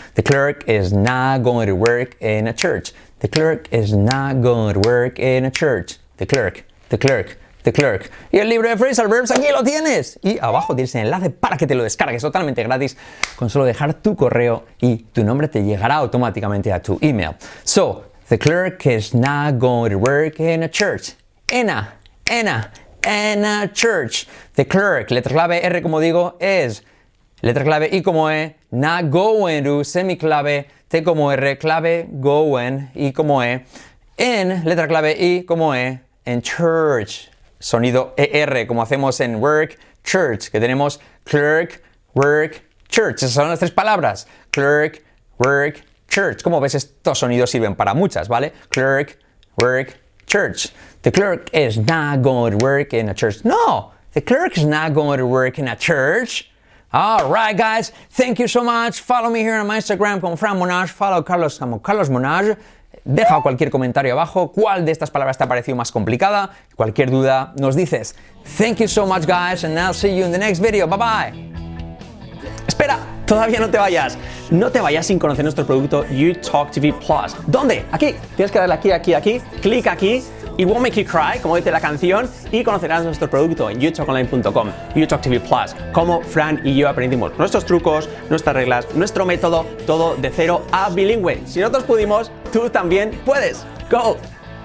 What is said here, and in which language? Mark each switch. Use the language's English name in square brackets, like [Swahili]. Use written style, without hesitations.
[English] The clerk is not going to work in a church. The clerk is not going to work in a church. The clerk, the clerk, the clerk. [Spanish] Y el libro de phrasal verbs, aquí lo tienes. Y abajo tienes el enlace para que te lo descargues totalmente gratis con solo dejar tu correo y tu nombre te llegará automáticamente a tu email. [English] So, the clerk is not going to work in a church. In a church. The clerk, [Spanish] letra clave R, como digo, [English] is [Spanish] Letra clave I como E, [English] not going to, [Spanish] semiclave, T como R, clave, going, I como E, in, letra clave I como E, [English] in church, [Spanish] sonido ER, como hacemos en work, church, que tenemos clerk, work, church. Esas son las tres palabras, clerk, work, church. Como ves, estos sonidos sirven para muchas, ¿vale? [English] Clerk, work, church. The clerk is not going to work in a church. No, the clerk is not going to work in a church. All right, guys, thank you so much. Follow me here on my Instagram como Fran Monage. Follow Carlos [Spanish] como Carlos Monage. Deja cualquier comentario abajo. ¿Cuál de estas palabras te ha parecido más complicada? Cualquier duda, nos dices. [English] Thank you so much, guys, and I'll see you in the next video. Bye-bye. [Spanish] Espera, todavía no te vayas. No te vayas sin conocer nuestro producto YouTalk TV Plus. ¿Dónde? Aquí. Tienes que darle aquí, aquí, aquí. Clic aquí. [English] It won't make you cry, [Spanish] como dice la canción, y conocerás nuestro producto en youtalkonline.com, YouTalk TV Plus, cómo Fran y yo aprendimos nuestros trucos, nuestras reglas, nuestro método, todo de cero a bilingüe. Si nosotros pudimos, tú también puedes. [English] ¡Go!